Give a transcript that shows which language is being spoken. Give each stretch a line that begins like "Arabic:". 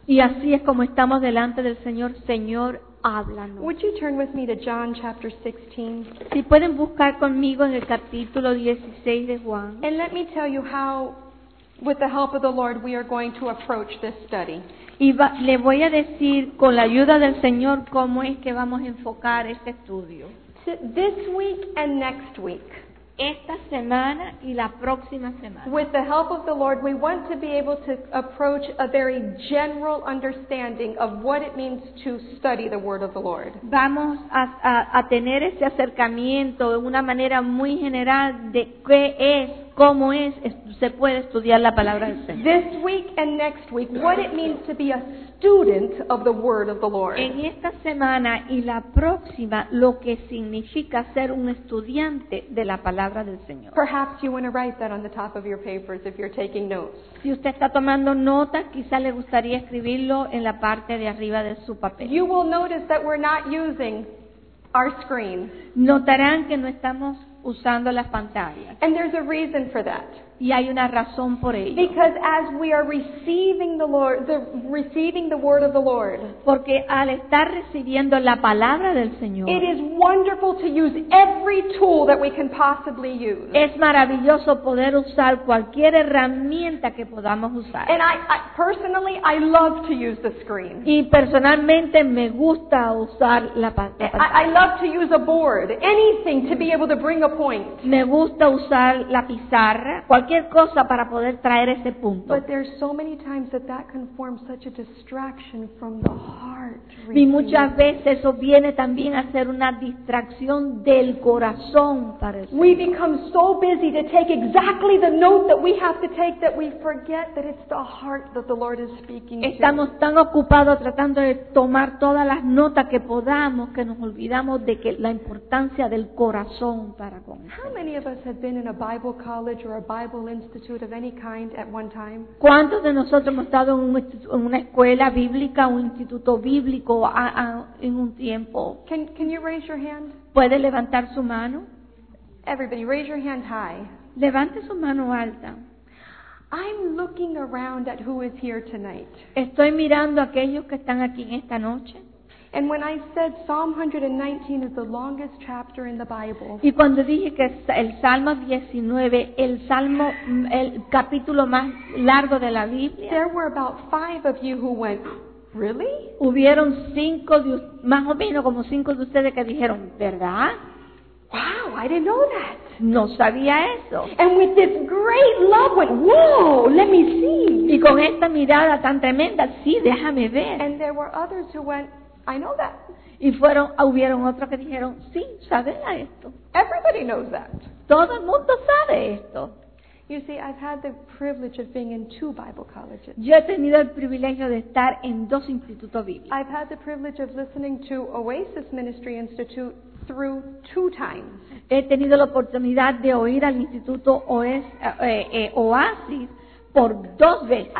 Spanish: Y así es como estamos delante del Señor. Señor, háblanos.
English: Would you turn with me to John chapter 16?
Spanish: Si pueden buscar conmigo en el capítulo 16 de Juan.
English: And let me tell you how, with the help of the Lord, we are going to approach this study.
Spanish: Y le voy a decir con la ayuda del Señor cómo es que vamos a enfocar este estudio.
English: This week and next week.
Spanish: Esta semana y la próxima semana.
English: With the help of the Lord, we want to be able to approach a very general understanding of what it means to study the Word of the Lord.
Spanish: Vamos a tener ese acercamiento de una manera muy general de qué es cómo es se puede estudiar la palabra del Señor.
English: This week and next week, what it means to be a student of the Word of the Lord.
Spanish: En esta semana y la próxima, lo que significa ser un estudiante de la palabra del Señor.
English: Perhaps you want to write that on the top of your papers if you're taking notes.
Spanish: Si usted está tomando notas, quizá le gustaría escribirlo en la parte de arriba de su papel.
English: You will notice that we're not using our screen.
Spanish: Notarán que no estamos usando las pantallas.
English: And there's a reason for that.
Spanish: Y hay una razón por ello.
English: Because as we are receiving the Lord, receiving the word of the Lord.
Spanish: Porque al estar recibiendo la palabra del Señor.
English: It is wonderful to use every tool that we can possibly use.
Spanish: Es maravilloso poder usar cualquier herramienta que podamos usar.
English: And I personally, I love to use the screen.
Spanish: Y personalmente me gusta usar la pantalla.
English: I love to use a board, anything to be able to bring a point.
Spanish: Me gusta usar la pizarra. Cualquier cosa para poder traer ese punto.
English: But there are so many times that that can form such a distraction from the heart.
Spanish: Y muchas veces eso viene también a ser una distracción del corazón para el Señor.
English: We become so busy to take exactly the note that we have to take that we forget that it's the heart that the Lord is speaking to.
Spanish: Estamos tan ocupados tratando de tomar todas las notas que podamos que nos olvidamos de que la importancia del corazón para con él.
English: How many of us have been in a Bible college or a Bible institute of any kind at one time?
Spanish: ¿Cuántos de nosotros hemos estado en una escuela bíblica o un instituto bíblico en un tiempo?
English: Can you raise your hand?
Spanish: ¿Puede levantar su mano?
English: Everybody, raise your hand high.
Spanish: Levante su mano alta.
English: I'm looking around at who is here tonight.
Spanish: Estoy mirando a aquellos que están aquí en esta noche.
English: And when I said Psalm 119 is the longest chapter in the Bible.
Spanish: Y cuando dije que el Salmo 19, el capítulo más largo de la Biblia.
English: There were about five of you who went, really?
Spanish: Hubieron cinco de más o menos como cinco de ustedes que dijeron, ¿verdad?
English: Wow, I didn't know that.
Spanish: No sabía eso.
English: And with this great love went, whoa, let me see.
Spanish: Y con esta mirada tan tremenda, sí, déjame ver.
English: And there were others who went, I know that.
Spanish: Y hubieron otros que dijeron, sí, sabía esto.
English: Everybody knows that.
Spanish: Todo el mundo sabe esto.
English: You see, I've had the privilege of being in two Bible colleges.
Spanish: Yo he tenido el privilegio de estar en dos institutos bíblicos.
English: I've had the privilege of listening to Oasis Ministry Institute through two times.
Spanish: He tenido la oportunidad de oír al Instituto Oasis por dos veces.